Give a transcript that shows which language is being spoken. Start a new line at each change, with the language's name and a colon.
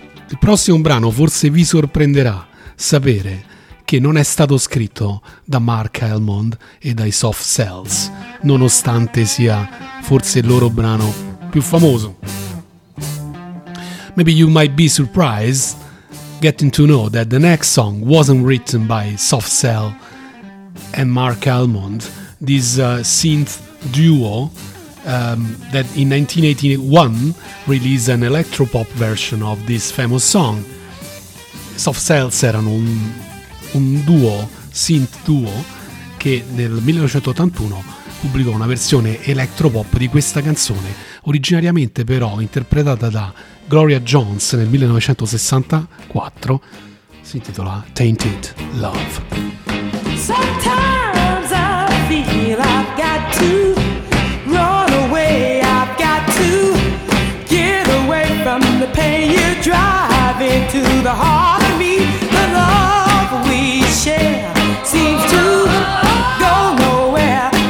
Italian: Il prossimo brano forse vi sorprenderà sapere che non è stato scritto da Mark Almond e dai Soft Cells, nonostante sia forse il loro brano più famoso.
English: Maybe you might be surprised getting to know that the next song wasn't written by Soft Cell and Mark Almond, this synth duo that in 1981 released an electropop version of this famous song.
Italian: Soft Cells erano un duo, synth duo, che nel 1981 pubblicò una versione electropop di questa canzone, originariamente però interpretata da Gloria Jones nel 1964, si intitola Tainted Love.
English: Sometimes I feel I've got to run away, I've got to get away from the pain you drive into the heart of me. The love we share seems to go nowhere.